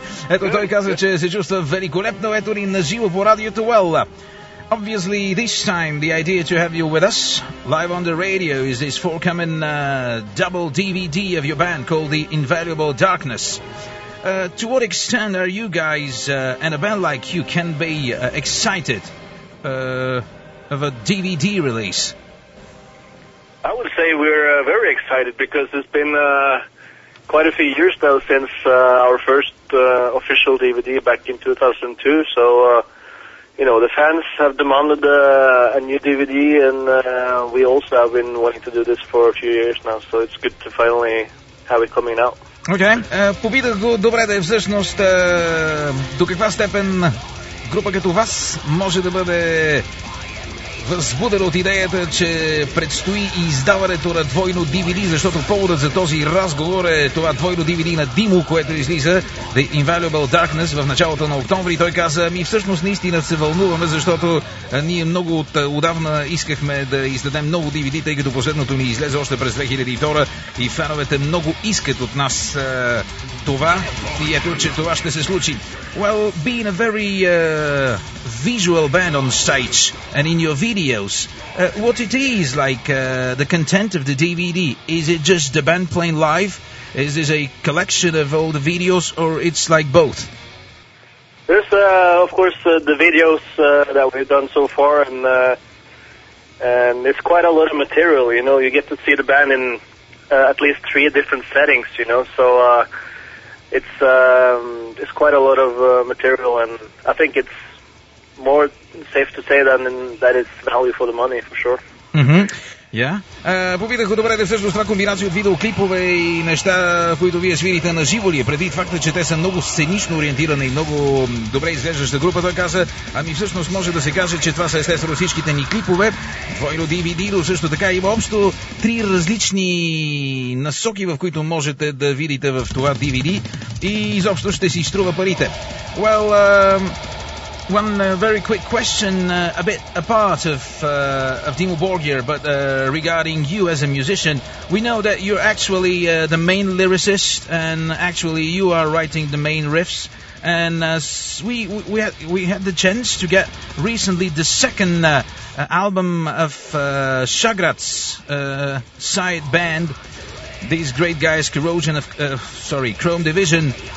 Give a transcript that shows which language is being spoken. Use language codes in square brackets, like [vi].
[bg] Ето той казва, че се чувства великолепно, ето ли наживо по радиото. [en] Well, obviously, this time, the idea to have you with us live on the radio is this forthcoming double DVD of your band called The Invaluable Darkness. To what extent are you guys and a band like you can be excited of a DVD release? I would say we're very excited because it's been quite a few years now since our first official DVD back in 2002. So, you know, the fans have demanded a new DVD, and we also have been wanting to do this for a few years now. So it's good to finally have it coming out. [bg] Окей, попитах го добре да е всъщност до каква степен група като вас може да бъде възбудена от идеята, че предстои издаването на двойно DVD, защото поводът за този разговор е това двойно DVD на Димо, което излиза The Invaluable Darkness в началото на октомври. Той каза, ми всъщност наистина се вълнуваме, защото ние много отдавна искахме да издадем ново DVD, тъй като последното ни излезе още през 2002 и феновете много искат от нас това и ето, че това ще се случи. [en] Well, being a very visual band on stage and in your videos, what it is like, the content of the DVD, is it just the band playing live, is this a collection of all the videos, or it's like both? There's of course the videos that we've done so far, and it's quite a lot of material, you know. You get to see the band in at least three different settings, you know, so it's quite a lot of material, and I think it's more safe to say that it's value for the money, for sure. Mm-hmm. Yeah. [bg] Попитах го добре, де всъщност това комбинация от видеоклипове и неща, които вие свирите на живо ли е, преди факта, че те са много сценично ориентирани и много добре изглеждаща група. Той каза, ами всъщност може да се каже, че това са естествено всичките ни клипове, двойно DVD, но също така има общо три различни насоки, в които можете да видите в това DVD и изобщо ще си струва парите. [en] Well, one very quick question, a bit apart of Dimmu Borgir, but regarding you as a musician. We know that you're actually the main lyricist, and actually you are writing the main riffs. And we had the chance to get recently the second album of Shagrat's side band, these great guys, Chrome Division.